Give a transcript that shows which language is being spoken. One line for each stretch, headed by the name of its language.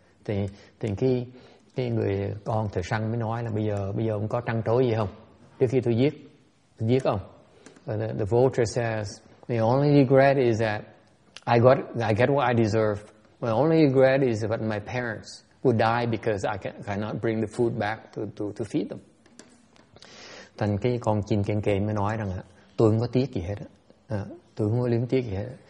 Vietnamese: Thì cái người con thợ săn mới nói là bây giờ ông có trăn trối gì không? Trước khi tôi giết ông.
English: The vulture says, the only regret is that I get what I deserve. My only regret is that my parents would die because I cannot bring the food back to feed them.
Vietnamese: Thành cái con chim kên kên mới nói rằng là tôi không có tiếc gì hết á, tôi không có liếm tiếc gì hết.